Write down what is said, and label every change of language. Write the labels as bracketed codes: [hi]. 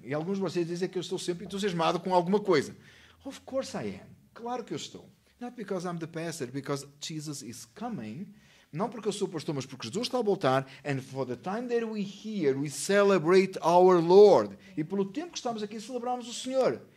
[pt] E alguns de vocês dizem que eu estou sempre entusiasmado com alguma coisa. [en] Of course I am. [pt] Claro que eu estou. [en] Not because I'm the pastor, because Jesus is coming. [pt] Não porque eu sou pastor, mas porque Jesus está a voltar. [en] And for the time that we're here, we celebrate our Lord. [pt] E pelo tempo que estamos aqui, celebramos o Senhor.